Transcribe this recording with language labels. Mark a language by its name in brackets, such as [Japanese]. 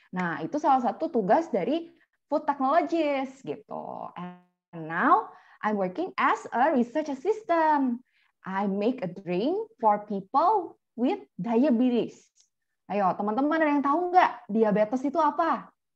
[Indonesian] Nah, itu salah satu tugas dari food technologist gitu. [English] And now I'm working as a research assistant. I make a drink for people with diabetes. [Indonesian] Ayo, teman-teman ada yang tahu nggak diabetes itu apa?